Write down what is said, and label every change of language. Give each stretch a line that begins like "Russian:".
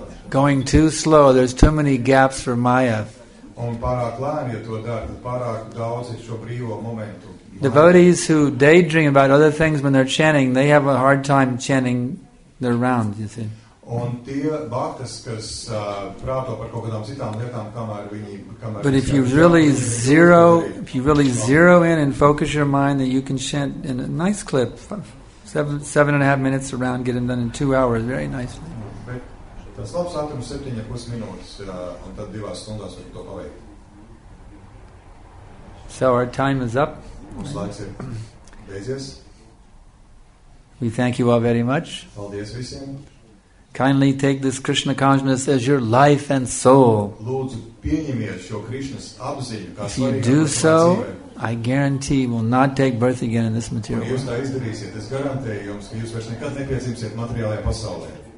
English: Going too slow, there's too many gaps for Maya.
Latvian: Un pārāk lēni, ja to dara, pārāk daudz ir šo brīvo momentu.
English: Devotees who daydream about other things when they're chanting, they have a hard time chanting their rounds, you see.
Latvian: Un tie bhaktas, kas prāto par kaut kādām citām lietām, kamēr
English: But if you really zero, if you really zero in and focus your mind, that you can chant in a nice clip, 7.5 minutes around, get them done in 2 hours, very nicely.
Latvian: Tas labs ātrums 7,5 minūtes ir, un tad 2 stundās var to paveikt.
English: So our time is up.
Latvian: Mums laiks ir beidzies.
English: We thank you all very much.
Latvian: Paldies visiem.
English: Kindly take this Krishna consciousness as your life and soul.
Latvian: Lūdzu, pieņemiet šo Krishnas apziņu.
English: If you do so, I guarantee you will not take birth again in this material.
Latvian: Un jūs tā izdarīsiet, es garantēju jums, ka jūs vairs nekad nepiedzimsiet materiālajā pasaulē.